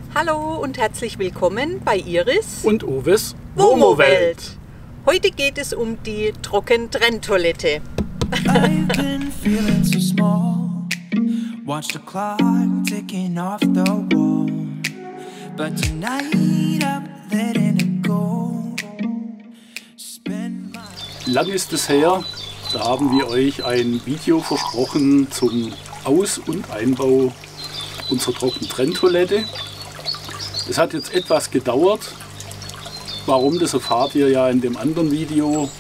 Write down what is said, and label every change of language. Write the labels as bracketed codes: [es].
[de] Hallo und herzlich willkommen bei Iris und Uwes Womo-Welt. Heute geht es um die Trockentrenntoilette. [en] I've been feeling so small. Watch the clock ticking off the wall. But tonight I'm letting it go. [de] Lang ist es her, da haben wir euch ein Video versprochen zum Aus- und Einbau unserer Trockentrenntoilette. Es hat jetzt etwas gedauert. Warum, das erfahrt ihr ja in dem anderen Video.